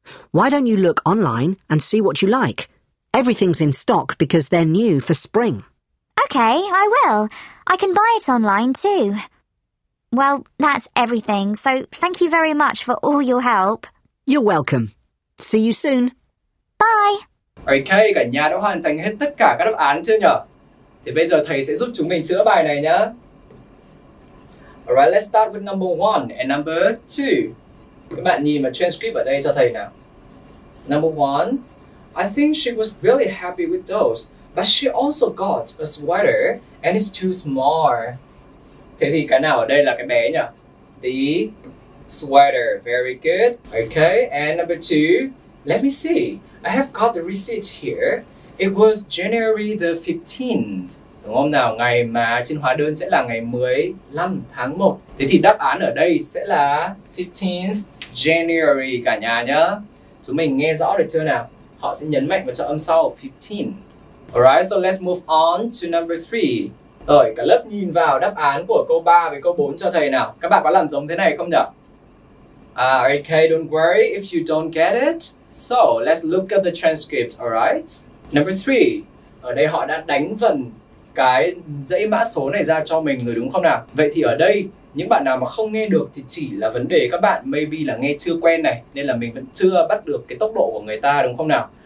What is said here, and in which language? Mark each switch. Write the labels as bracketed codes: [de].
[en] Why don't you look online and see what you like? Everything's in stock because they're new for spring. Okay, I will. I can buy it online too. Well, that's everything. So thank you very much for all your help. You're welcome. See you soon. Bye. [vi] Ok, cả nhà đã hoàn thành hết tất cả các đáp án chưa nhở? Thì bây giờ thầy sẽ giúp chúng mình chữa bài này nhá. [en] Alright, let's start with number 1 and number 2. [vi] Các bạn nhìn vào transcript ở đây cho thầy nào. [en] Number 1. I think she was really happy with those, but she also got a sweater and it's too small. [vi] Thế thì cái nào ở đây là cái bé nhỉ? [en] The sweater. Very good. Okay, and number 2. Let me see. I have got the receipt here. It was January the 15th. [vi] Đúng không nào? Ngày mà trên hóa đơn sẽ là ngày 15 tháng 1. Thế thì đáp án ở đây sẽ là 15th January cả nhà nhá. Chúng mình nghe rõ được chưa nào? Họ sẽ nhấn mạnh vào cho âm sau 15. [en] Alright, so let's move on to number 3. [vi] Rồi, cả lớp nhìn vào đáp án của câu 3 với câu 4 cho thầy nào. Các bạn có làm giống thế này không nhỉ? [en] Okay, don't worry if you don't get it. So, let's look at the transcript, alright? [vi] Number 3. Ở đây họ đã đánh vần cái dãy mã số này ra cho mình rồi đúng không nào? Vậy thì ở đây, những bạn nào mà không nghe được thì chỉ là vấn đề các bạn maybe là nghe chưa quen này, nên là mình vẫn chưa bắt được cái tốc độ của người ta đúng không nào?